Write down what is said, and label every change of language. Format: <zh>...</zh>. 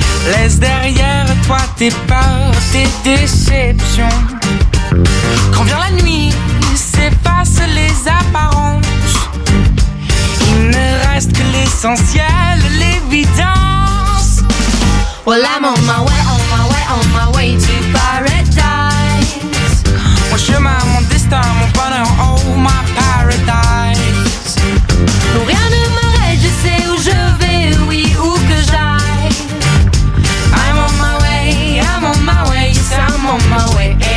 <fr>Laisse derrière toi tes peurs, tes déceptions. Quand vient la nuit, s'efface les apparences. Il ne reste que l'essentiel, l'évidence.</fr> <en>Well, I'm on my way, on my way, on my way to paradise.</en> <fr>Mon chemin, mon destin, mon bonheur,</fr> <en>oh my paradise.</en> <fr>Rien ne m'arrête, je sais où je vais, oui, où que j'aille.</fr> <en>I'm on my way, I'm on my way, yes, I'm on my way.</en>